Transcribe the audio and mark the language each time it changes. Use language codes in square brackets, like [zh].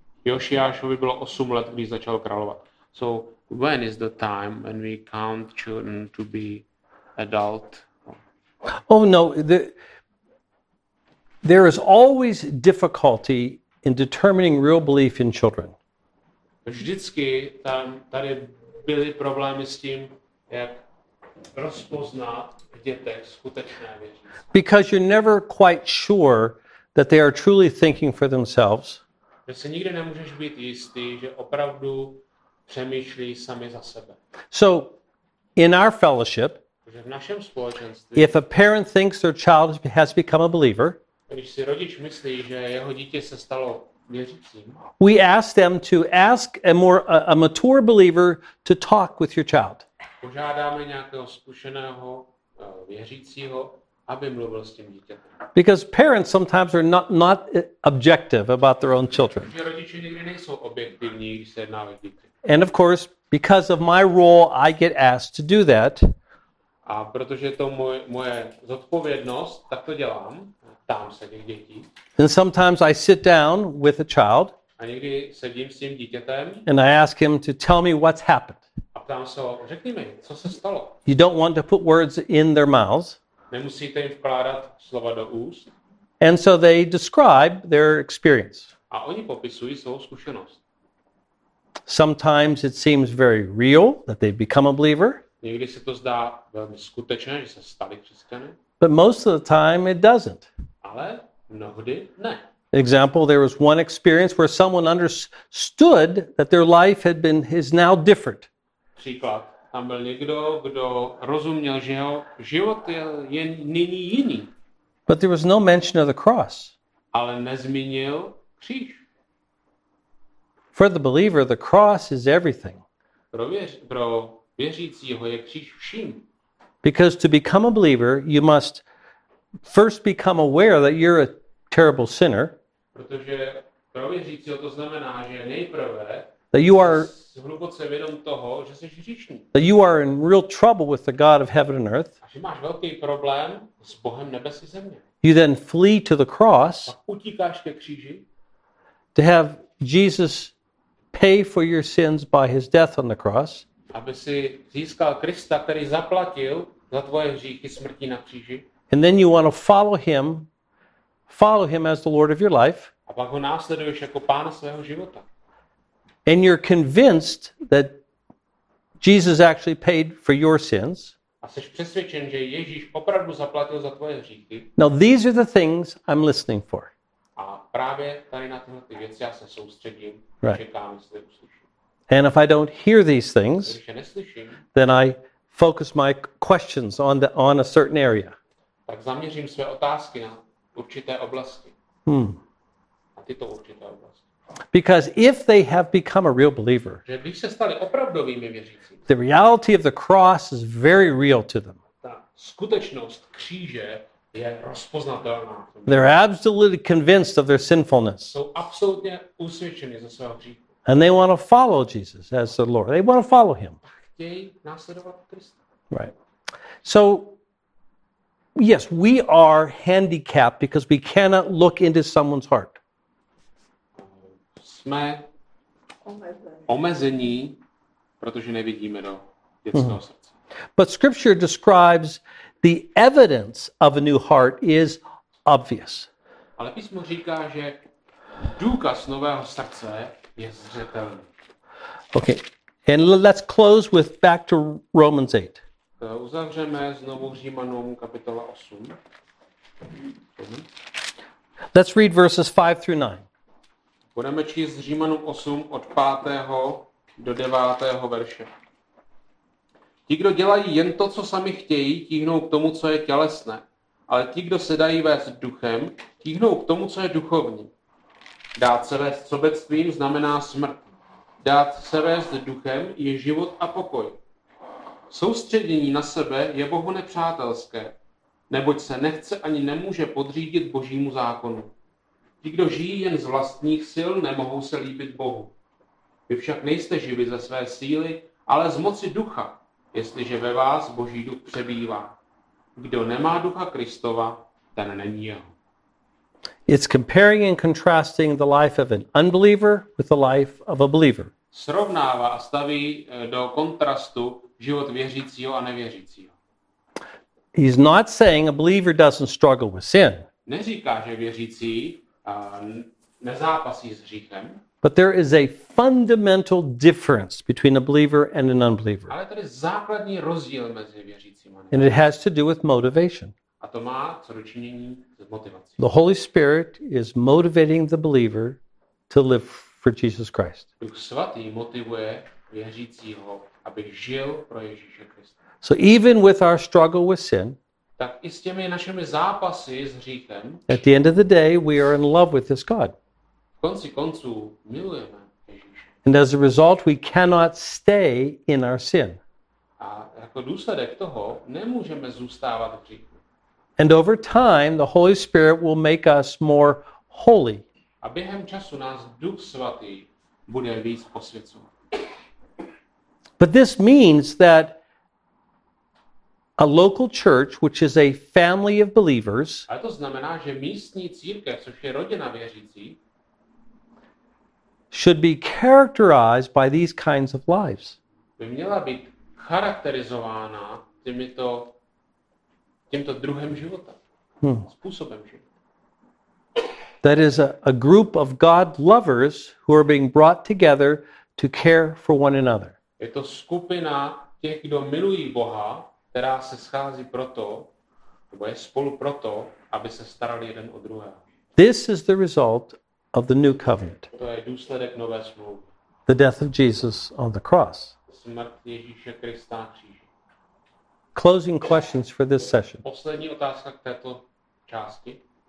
[cs] Jošiášovi bylo 8 let, když začal královat. [en] So, when is the time when we count children to be adult? Oh, no. There is always difficulty in determining real belief in children. [cs] Vždycky tady byly problémy s tím, jak rozpoznat v dětech skutečné věřící. [en] Because you're never quite sure that they are truly thinking for themselves. [cs] Že se nikdy nemůžeš být jistý, že opravdu přemýšlí sami za sebe. [en] So, in our fellowship, [cs] v našem společenství, [en] if a parent thinks their child has become a believer, [cs] když si rodič myslí, že jeho dítě se stalo věřícím, [en] we ask them to ask a mature believer to talk with your child. [cs] Požádáme nějakého zkušeného věřícího, aby mluvil s tím dítětem. [en] Because parents sometimes are not objective about their own children. [cs] Rodiče nikdy nejsou objektivní, když se jedná o dítě. [en] And of course, because of my role, I get asked to do that. [cs] A protože je to moje zodpovědnost, tak to dělám. Ptám se těch dětí. [en] And sometimes I sit down with a child. [cs] A někdy sedím s tím dítětem. [en] And I ask him to tell me what's happened. [cs] A ptám se ho, řekni mi, co se stalo. [en] You don't want to put words in their mouths. [cs] Nemusíte jim vkládat slova do úst. [en] And so they describe their experience. [cs] A oni popisují svou zkušenost. [en] Sometimes it seems very real that they've become a believer. [cs] Někdy se to zdá velmi skutečné, že se stali křesťany. [en] But most of the time it doesn't. [cs] Ale mnohdy ne. [en] Example, there was one experience where someone understood that their life had been is now different. [cs] Příklad. Tam byl někdo, kdo rozuměl, že jeho život je nyní jiný. [en] But there was no mention of the cross. [cs] Ale nezmínil kříž. [en] For the believer, the cross is everything. [cs] Pro věřícího je kříž vším. [en] Because to become a believer, you must first become aware that you're a terrible sinner. [cs] Protože pro věřícího to znamená, že nejprve [en] that you are [cs] hluboce vědom toho, že jsi hříšný. [en] That you are in real trouble with the God of heaven and earth. [cs] A že máš velký problém s Bohem nebes i země. [en] You then flee to the cross. [cs] A utíkáš ke kříži. [en] To have Jesus pay for your sins by his death on the cross. [cs] Aby si získal Krista, který zaplatil za tvoje hříchy smrtí na kříži. [en] And then you want to follow him as the Lord of your life. [cs] A pak ho následuješ jako pána svého života. [en] And you're convinced that Jesus actually paid for your sins. [cs] A jsi přesvědčen, že Ježíš opravdu zaplatil za tvoje hříchy. [en] Now these are the things I'm listening for. [cs] A právě tady na tyhle ty věci já se soustředím. [en] Right. [cs] Čekám, jestli uslyším. [en] And if I don't hear these things, [cs] když je neslyším, [en] then I focus my questions on a certain area. [cs] Tak zaměřím své otázky na určité oblasti. Hmm. A tyto určité oblasti. [en] Because if they have become a real believer, [cs] že když se stali opravdovými věřícími, [en] the reality of the cross is very real to them. [cs] Ta skutečnost kříže je rozpoznatelná. [en] They're absolutely convinced of their sinfulness. [cs] Jsou absolutně usvědčeni ze svého hříchu. [en] And they want to follow Jesus as the Lord. They want to follow him. [cs] Chtějí následovat Krista. [en] Right. So, yes, we are handicapped because we cannot look into someone's heart. [cs] Jsme omezení, protože nevidíme do dětského srdce. [en] But scripture describes the evidence of a new heart is obvious. [cs] Ale písmo říká, že důkaz nového srdce je zřetelný. [en] Okay. And let's close with back to Romans 8. [cs] Uzavřeme znovu Římanům kapitola 8. [en] Let's read verses 5 through 9. [cs] Budeme číst Římanům 8 od 5. do 9. verše. Ti, kdo dělají jen to, co sami chtějí, tíhnou k tomu, co je tělesné, ale ti, kdo se dají vést duchem, tíhnou k tomu, co je duchovní. Dát se vést sobectvím znamená smrt. Dát se vést duchem je život a pokoj. Soustředění na sebe je Bohu nepřátelské, neboť se nechce ani nemůže podřídit Božímu zákonu. Ti, kdo žijí jen z vlastních sil, nemohou se líbit Bohu. Vy však nejste živi ze své síly, ale z moci ducha, jestliže ve vás Boží duch přebývá. Kdo nemá ducha Kristova, ten není jeho. [en] It's comparing and contrasting the life of an unbeliever with the life of a believer. [cs] Srovnává a staví do kontrastu život věřícího a nevěřícího. [en] He's not saying a believer doesn't struggle with sin. [cs] Neříká, že věřící nezápasí s hříchem. [en] But there is a fundamental difference between a believer and an unbeliever. [cs] Ale tady je základní rozdíl mezi věřícím a ne. [en] And it has to do with motivation. [cs] A to má co do činění s motivací. [en] The Holy Spirit is motivating the believer to live for Jesus Christ. [cs] Duch svatý motivuje věřícího, aby žil pro Ježíše Krista. [en] So even with our struggle with sin, [cs] tak i s těmi našimi zápasy s hříchem, [en] at the end of the day, we are in love with this God. [cs] V konci konců milujeme Ježíše. [en] And as a result, we cannot stay in our sin. [cs] A jako důsledek toho nemůžeme zůstávat v hříchu. [en] And over time, the Holy Spirit will make us more holy. [cs] A během času nás Duch Svatý bude víc posvěcovat. [en] But this means that a local church, which is a family of believers, [cs] a to znamená, že místní církev, což je rodina věřící, [en] should be characterized by these kinds of lives. [cs] By měla být charakterizována tímto druhem života, způsobem života. [en] That is a group of God lovers who are being brought together to care for one another. [cs] Je to skupina těch, kdo milují Boha, která se schází proto, nebo je spolu proto, aby se starali jeden o druhého. [en] This is the result of the new covenant. [cs] To je důsledek nové smlouvy. [en] The death of Jesus on the cross. [cs] Smrt Ježíše Krista na kříži. [en] Closing questions for this session. [cs] Poslední otázka k této části.